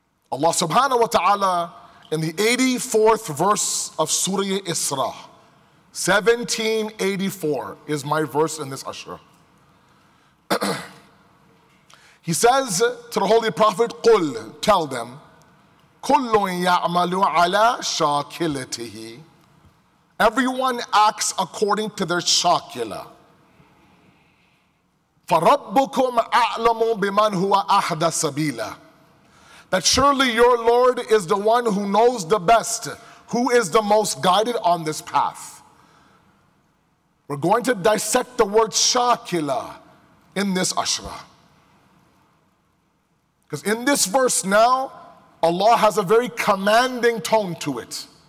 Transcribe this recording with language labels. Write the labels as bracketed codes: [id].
[en] Allah subhanahu wa ta'ala, in the 84th verse of Surah Isra, 1784 is my verse in this ashra. He says to the Holy Prophet, قُلْ, tell them, [ar] كُلٌ يَعْمَلُ عَلَى شَاكِلَتِهِ. [en] Everyone acts according to their shakila. [ar] فَرَبُّكُمْ أَعْلَمُ بِمَنْ هُوَ أَحْدَى سَبِيلًا. [en] That surely your Lord is the one who knows the best, who is the most guided on this path. We're going to dissect the word shakila in this ashra. Because in this verse now, Allah has a very commanding tone to it.